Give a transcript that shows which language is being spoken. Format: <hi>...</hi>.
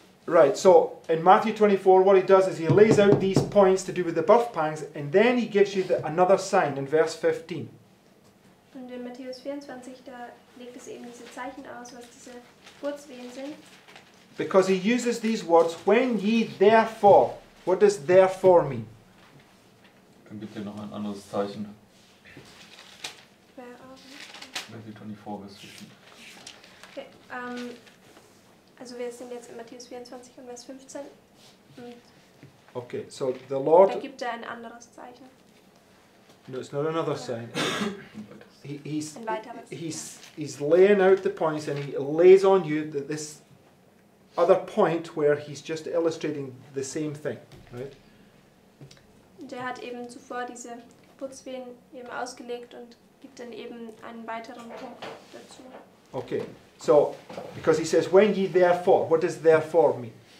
<en>Right, so in Matthew 24, what he does is he lays out these points to do with the birth pangs, and then he gives you another sign in verse 15.</en> <de>Und in Matthäus 24, da legt es eben diese Zeichen aus, was diese Geburtswehen sind.</de> <en>Because he uses these words, when ye therefore, what does therefore mean?</en> <de>Dann gibt hier noch ein anderes Zeichen.</de> <en>Matthew</en> <de>24, Vers 15. Okay, also wir sind jetzt in Matthäus 24 und Vers 15. Und</de> <en>okay, so the Lord...</en> <de>Da gibt er ein anderes Zeichen.</de> <en>No, it's not another sign. He's laying out the points and he lays on you that this other point where he's just illustrating the same thing, right?</en> <de>Der hat eben zuvor diese Putzwehen eben ausgelegt und gibt dann eben einen weiteren Punkt dazu.</de> <en>Okay, so because he says, when ye therefore, what does therefore mean?</en>